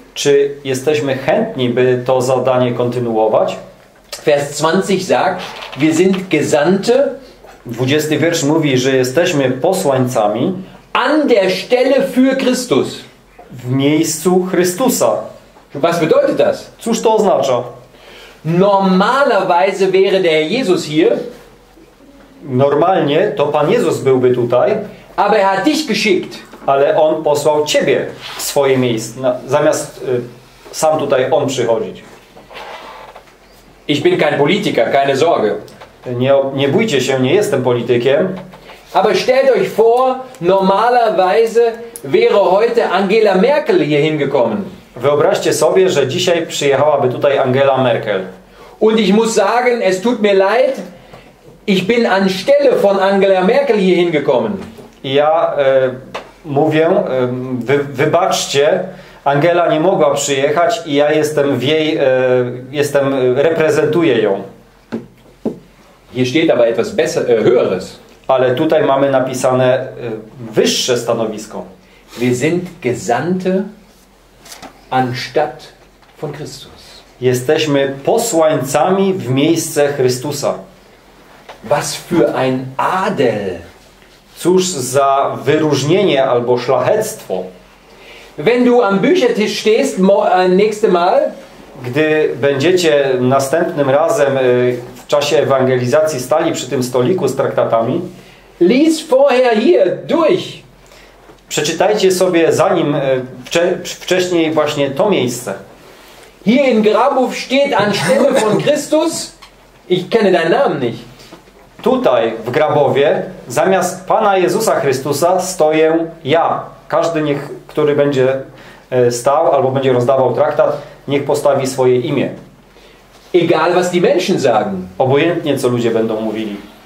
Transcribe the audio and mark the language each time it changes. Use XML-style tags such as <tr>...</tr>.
<pl>Czy jesteśmy chętni, by to zadanie kontynuować?</pl> <de>Vers 20 sagt, wir sind Gesandte.</de> <pl>20 wiersz mówi, że jesteśmy posłańcami.</pl> <de>An der Stelle für Christus.</de> <pl>W miejscu Chrystusa.</pl> <de>Was bedeutet das?</de> <pl>Cóż to oznacza?</pl> <de>Normalerweise wäre der Jesus hier.</de> <pl>Normalnie to Pan Jezus byłby tutaj.</pl> <de>Aber er hat dich geschickt.</de> <pl>Ale on posłał ciebie w swoje miejsce, zamiast sam tutaj on przychodzić.</pl> <de>Ich bin kein Politiker, keine Sorge.</de> <pl>Nie bójcie się, nie jestem politykiem.</pl> <de>Aber stellt euch vor, normalerweise wäre heute Angela Merkel hier hingekommen.</de> <pl>Wyobraźcie sobie, że dzisiaj przyjechałaby tutaj Angela Merkel.</pl> <de>Und ich muss sagen, es tut mir leid, ich bin anstelle von Angela Merkel hier hingekommen.</de> <pl>Ja mówię, wybaczcie, Angela nie mogła przyjechać i ja jestem w jej, reprezentuję ją.</pl> <de>Hier steht aber etwas höheres.</de> <pl>Ale tutaj mamy napisane wyższe stanowisko.</pl> <de>Wir sind Gesandte anstatt von Christus.</de> <pl>Jesteśmy posłańcami w miejsce Chrystusa.</pl> <de>Was für ein Adel.</de> <pl>Cóż za wyróżnienie albo szlachectwo.</pl> <de>Wenn du am Büchertisch stehst, nächste Mal,</de> <pl>gdy będziecie następnym razem w czasie ewangelizacji stali przy tym stoliku z traktatami,</pl> <de>lies vorher hier durch.</de> <pl>Przeczytajcie sobie zanim wcześniej właśnie to miejsce.</pl> <de>Hier in Grabów steht an Stelle von Christus. Ich kenne deinen Namen nicht.</de> <pl>Tutaj w Grabowie zamiast Pana Jezusa Chrystusa stoję ja. Każdy niech, który będzie stał albo będzie rozdawał traktat, niech postawi swoje imię.</pl> <de>Egal was die Menschen sagen.</de> <pl>Obojętnie co ludzie będą mówili.</pl>